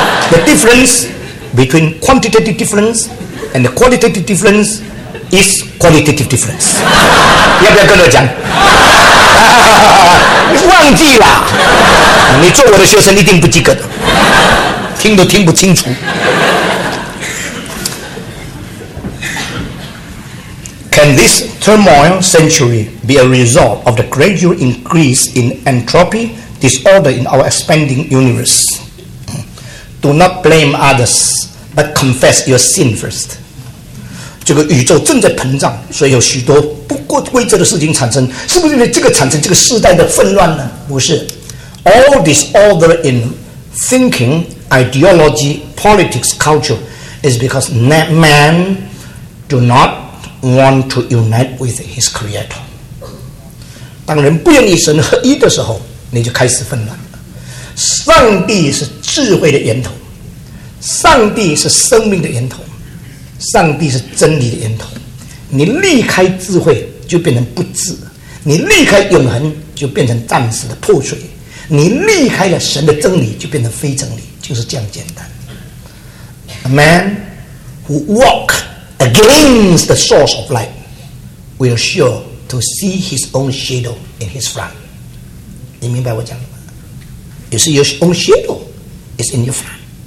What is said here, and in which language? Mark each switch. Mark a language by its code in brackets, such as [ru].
[en] The difference between quantitative difference and the qualitative difference is qualitative difference。 [zh] 要不要跟我讲？忘记了，你做我的学生一定不及格的，听都听不清楚。 [en] Can this turmoil century be a result of the gradual increase in entropy disorder in our expanding universe? Do not blame others, but confess your sin first。 [zh] 这个宇宙正在膨胀，所以有许多不规则的事情产生，是不是因为这个产生这个时代的纷乱呢？不是。 [en] All disorder in thinking, ideology, politics, culture is because man do not want to unite with his creator。 [zh] 当人不愿意神合一的时候，你就开始纷乱了。上帝是智慧的源头，上帝是生命的源头，上帝是真理的源头。你离开智慧就变成不智，你离开永恒就变成暂时的破碎，你离开了神的真理就变成非真理，就是这样简单。 [en] A man who walk against the source of light will sure to see his own shadow in his front。 [zh] 你明白我讲的吗？ [en] You see your own shadow is in your front。